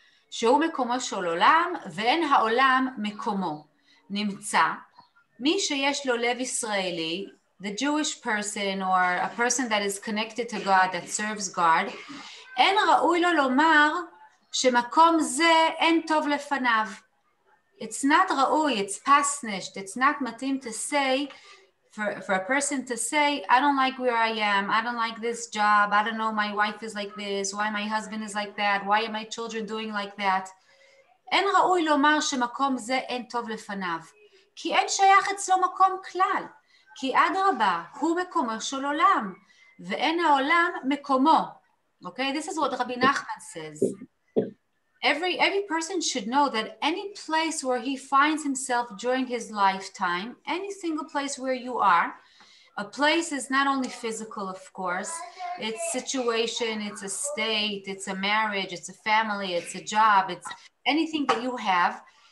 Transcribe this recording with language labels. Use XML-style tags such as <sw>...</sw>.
<he>שהוא מקומו של עולם, ואין העולם מקומו. נמצא, מי שיש לו לב ישראלי,</he> <en>the Jewish person or a person that is connected to God, that serves God,</en> <he>אין ראוי לו לומר שמקום זה אין טוב לפניו.</he> <en>It's not ראוי, it's pasnished, it's not מתאים to say, for a person to say, I don't like where I am, I don't like this job, I don't know my wife is like this, why my husband is like that, why are my children doing like that.</en> <he>אין ראוי לומר שמקום זה אין טוב לפניו, כי אין שייך אצלו מקום כלל. כי עד רבה הוא מקומו של עולם, ואין העולם מקומו.</he> <en>Okay, this is what Rabbi Nachman says. Every person should know that any place where he finds himself during his lifetime, any single place where you are, A place is not only physical, of course, it's situation, it's a state, it's a marriage, it's a family, it's a job, it's anything that you have.</en>